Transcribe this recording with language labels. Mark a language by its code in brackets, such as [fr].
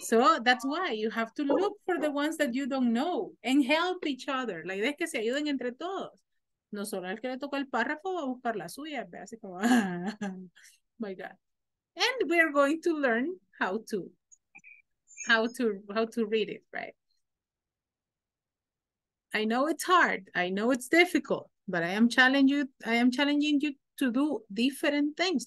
[en] So that's why you have to look for the ones that you don't know and help each other. [es] La idea es que se ayuden entre todos. No solo el que le tocó el párrafo va a buscar la suya, ve así como, [en] my God. And we are going to learn how to read it, right? I know it's hard. I know it's difficult, but I am challenging you to do different things.